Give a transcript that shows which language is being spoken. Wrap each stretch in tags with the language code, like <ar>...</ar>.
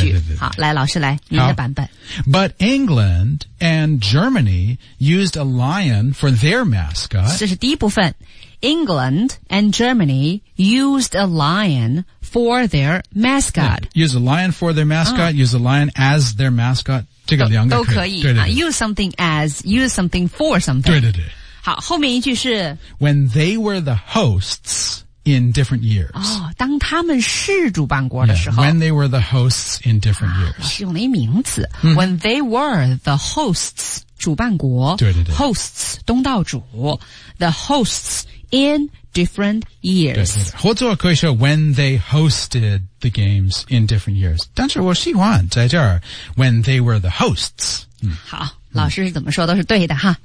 <zh>然后在什么时候？对啊，哎，谁谁谁用了什么来做吉祥物，在什么时候？这才是一个正常的继续。好，来，老师来，您的版本。</zh> <en>But England and Germany used a lion for their mascot.</en> <zh>这是第一部分。</zh> <en>England and Germany used a lion for their mascot. Yeah, use a lion for their mascot. Use a lion as their mascot.</en> <zh>这个两个可以。都可以。对对对。</zh> <en>Use something as, use something for something.</en> <zh>对对对。好,后面一句是</zh> <en>When they were the hosts in different years.</en> <zh>当他们是主办国的时候。</zh> <en>When they were the hosts in different years.</en> <zh>是用了一名词。</zh> <en>When they were the hosts,</en> <zh>主办国。对对对。</zh> <en>Hosts,</en> <zh>东道主。</zh> <en>The hosts in different years.</en> <zh>或者可以说</zh> <en>When they hosted the games in different years.</en> <zh>但是我喜欢在这儿</zh> <en>When they were the hosts.</en> <zh>好,老师是怎么说都是对的哈。</zh>